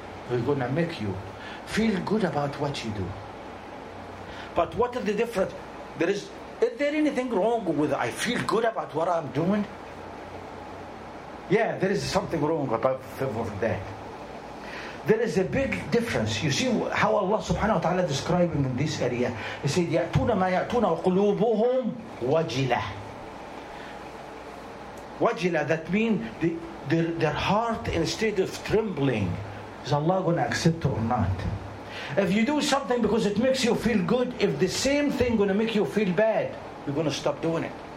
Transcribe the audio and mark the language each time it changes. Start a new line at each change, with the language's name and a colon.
English: He gonna make you feel good about what you do. But what is the difference? Is there anything wrong with I feel good about what I'm doing? Yeah, there is something wrong about that. There is a big difference. You see how Allah subhanahu wa ta'ala describing in this area. He said,
Arabic: يَأْتُونَ مَا يَأْتُونَ وَقُلُوبُهُمْ وَجِلَةً.
English: Wajila, that means their heart, instead of trembling, is Allah going to accept it or not? If you do something because it makes you feel good, if the same thing going to make you feel bad, you're going to stop doing it.